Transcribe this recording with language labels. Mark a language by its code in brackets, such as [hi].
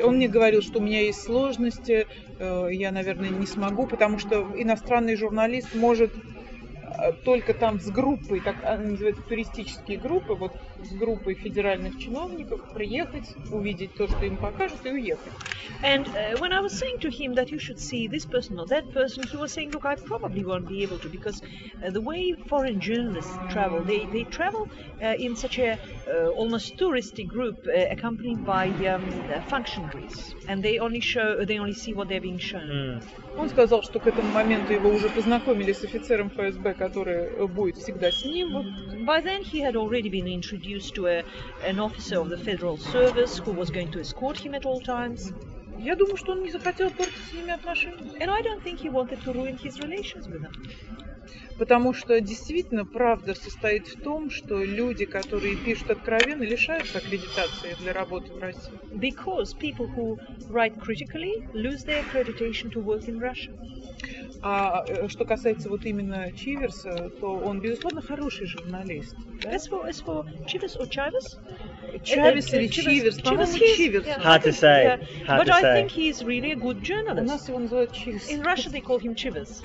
[ru] Он мне говорил, что у меня есть сложности, я, наверное, не смогу, потому что иностранный журналист может только там с группой, так они называют туристические группы, вот с группой федеральных чиновников приехать, увидеть то, что им покажут, и уехать. [en] And when I was saying to him that you should see this person or that person, he was saying, look, I probably won't be able to, because the way foreign journalists travel, they travel in such a almost touristic group, accompanied by functionaries, and they only see what they're being shown. Mm. [ru] Он сказал, что к этому моменту его уже познакомили с офицером ФСБ, который будет всегда с ним. [en] By then he had already been introduced to an officer of the Federal Service who was going to escort him at all times. [ru] Я думаю, что он не захотел портить с ними отношения. [en] And I don't think he wanted to ruin his relations with them. [ru] Потому что действительно правда состоит в том, что люди, которые пишут откровенно, лишаются аккредитации для работы в России. [en] Because people who write critically lose their accreditation to work in Russia. [ru] А что касается вот именно Чиверса, то он, безусловно, хороший журналист. Да? [en] As for Chivers or Chivers? [ru] Chivers или Chivers? По-моему, Chivers. [en] Hard to say. Yeah. Hard But to I say. Think he's really a good journalist. [ru] У нас его называют Chivers. [en] In Russia they call him Chivers.